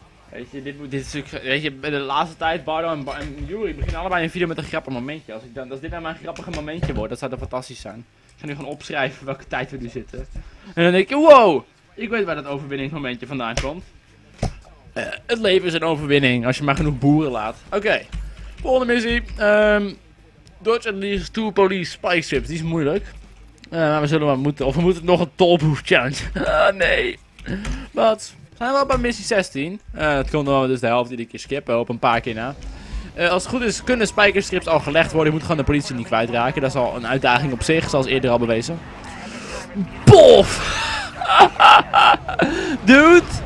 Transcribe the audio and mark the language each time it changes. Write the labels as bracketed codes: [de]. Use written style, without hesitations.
[nl] Weet je, dit is natuurlijk. Weet je, de laatste tijd, Bardo en Yuri beginnen allebei een video met een grappig momentje. Als dit nou maar een grappig momentje wordt, dat zou dan fantastisch zijn. Ik ga nu gewoon opschrijven welke tijd we nu zitten. En dan denk je, wow! Ik weet waar dat overwinningsmomentje vandaan komt. Het leven is een overwinning, als je maar genoeg boeren laat. Oké, okay. Volgende missie. [en] Dodge at least two police spike strips. [nl] Die is moeilijk. Maar we zullen maar moeten. Of we moeten nog een tollbooth challenge. nee. Wat? Zijn we al bij missie 16? Dat komt omdat we dus de helft iedere keer skippen op een paar keer na. Als het goed is, kunnen spijkerstrips al gelegd worden. Je moet gewoon de politie niet kwijtraken. Dat is al een uitdaging op zich, zoals eerder al bewezen. Bof! Dude!